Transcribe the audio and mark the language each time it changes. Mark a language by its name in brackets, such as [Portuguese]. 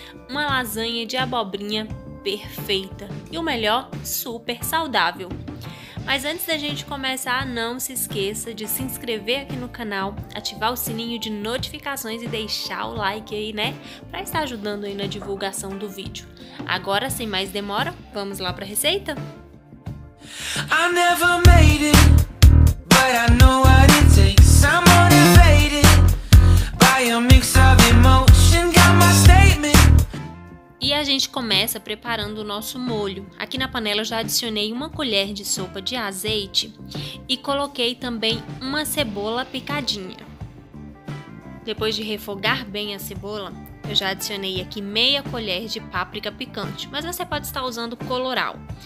[Portuguese] Uma lasanha de abobrinha perfeita e o melhor, super saudável. Mas antes da gente começar, não se esqueça de se inscrever aqui no canal, ativar o sininho de notificações e deixar o like aí, né? Para estar ajudando aí na divulgação do vídeo. Agora, sem mais demora, vamos lá para a receita? [English] I never made it, but I know what it takes. I'm motivated by a mix of emotion, got my statement. [Portuguese] E a gente começa preparando o nosso molho. Aqui na panela eu já adicionei uma colher de sopa de azeite e coloquei também uma cebola picadinha. Depois de refogar bem a cebola, eu já adicionei aqui meia colher de páprica picante, mas você pode estar usando colorau.